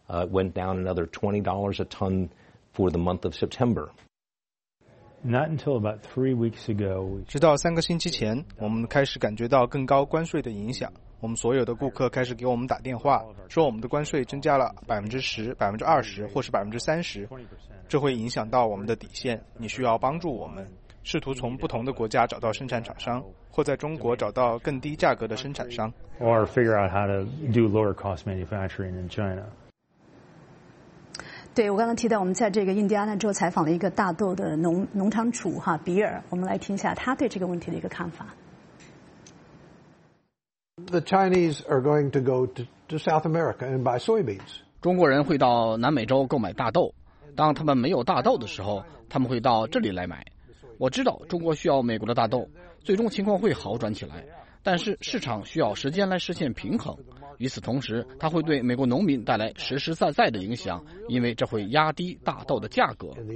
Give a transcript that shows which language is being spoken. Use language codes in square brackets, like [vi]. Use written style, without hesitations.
[en] Went down another $20 a ton for the month of September. Not until about 3 weeks ago. [zh] 直到三个星期前，我们开始感觉到更高关税的影响。我们所有的顾客开始给我们打电话，说我们的关税增加了10%、20%或是30%，这会影响到我们的底线，你需要帮助我们，试图从不同的国家找到生产厂商，或在中国找到更低价格的生产商。 [en] Or figure out how to do lower cost manufacturing in China. [zh] 对，我刚刚提到我们在这个印第安纳州采访了一个大豆的农场主哈比尔，我们来听一下他对这个问题的一个看法。 [en] The Chinese are going to go to South America and buy soybeans. [zh] 中国人会到南美洲购买大豆，当他们没有大豆的时候，他们会到这里来买。我知道中国需要美国的大豆，最终情况会好转起来，但是市场需要时间来实现平衡。与此同时，它会对美国农民带来实实在在的影响，因为这会压低大豆的价格。